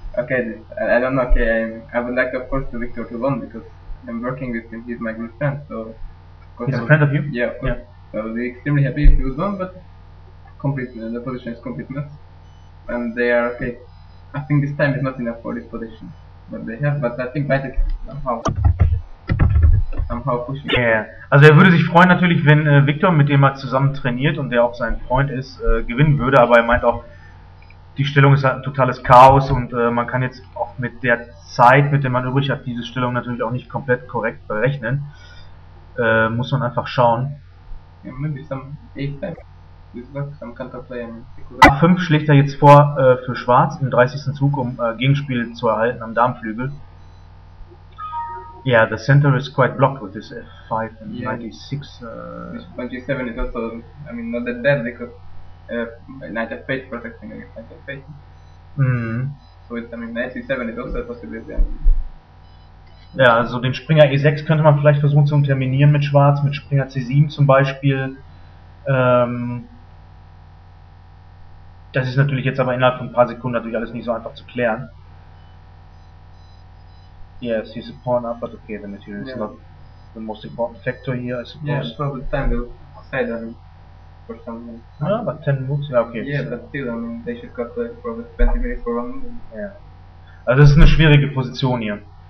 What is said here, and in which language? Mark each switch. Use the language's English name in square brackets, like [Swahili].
[English] Okay, this, I don't know, okay, I would like of course the Victor to win, because I'm working with him, he's my good friend, so... He's a friend of you? Yeah, of course. Yeah. So I would be extremely happy if he would win, but the position is complete mess. And they are okay. I think this time is not enough for this position that they have, but I think Vitek somehow... Ja, yeah. [German] Also er würde sich freuen natürlich, wenn Victor, mit dem er zusammen trainiert und der auch sein Freund ist, gewinnen würde, aber er meint auch, die Stellung ist halt ein totales Chaos und man kann jetzt auch mit der Zeit, mit der man übrig hat, diese Stellung natürlich auch nicht komplett korrekt berechnen. Muss man einfach schauen. [English] Ja, maybe some [German] A5 schlägt er jetzt vor für Schwarz im 30. Zug, um Gegenspiel zu erhalten am Damenflügel. [English] Yeah, the center is quite blocked with this f5 and yeah. Knight e6. Bishop g7 is also, I mean, not that bad because knight f8 protecting against knight f8. So it's, I mean, knight e7 is also a possibility. [German] Yeah, also den Springer e6 könnte man vielleicht versuchen zu unterminieren mit Schwarz, mit Springer c7 zum Beispiel. Das ist natürlich jetzt aber innerhalb von ein paar Sekunden natürlich alles nicht so einfach zu klären. [English] Yes, he's a pawn up, but okay, the material is not the most important factor here, I suppose. Yeah, probably time will decide on him for some minutes. Ah, but 10 moves, yeah, okay. Yeah, so. But still, I mean, they should cut like, probably 20 minutes for one move. Yeah. Also, this is a [German] schwierige [English] position here.